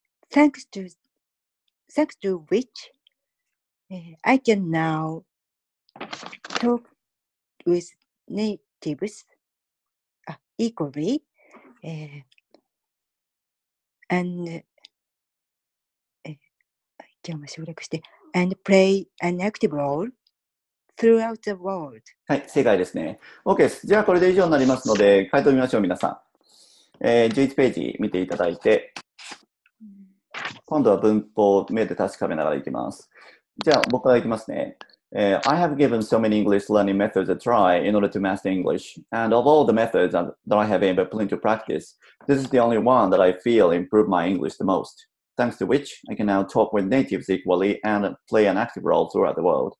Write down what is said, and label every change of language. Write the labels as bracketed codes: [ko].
[en] Thanks to which I can now talk with natives equally, and play an active role. Throughout the world. [ja] はい、正解ですね。OK です。じゃあ、これで以上になりますので、回答見ましょう、皆さん。 11ページ見ていただいて、今度は文法を目で確かめながらいきます。じゃあ、僕からいきますね。 [en] I have given so many English learning methods a try in order to master English, and of all the methods that I have ever put into practice, this is the only one that I feel improved my English the most, thanks to which I can now talk with natives equally and play an active role throughout the world.